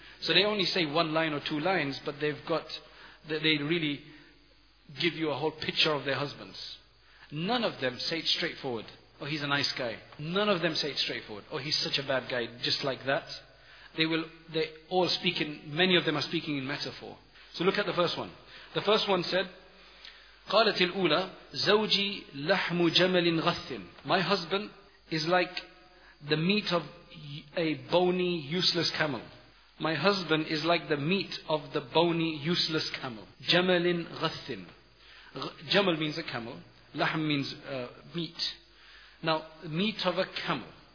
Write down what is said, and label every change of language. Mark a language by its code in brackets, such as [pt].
[en] So they only say one line or two lines, but they've got, they really give you a whole picture of their husbands. None of them say it straightforward. Oh, he's a nice guy. None of them say it straightforward. Oh, he's such a bad guy, just like that. They all speak in, many of them are speaking in metaphor. So look at the first one. The first one said, [ar] قالت الأولى زوجي لحم جمل غث. [en] My husband is like the meat of a bony, useless camel. My husband is like the meat of the bony, useless camel. Jamalin ghathin. Jamal means a camel. Lahm means meat. Now, meat of a camel.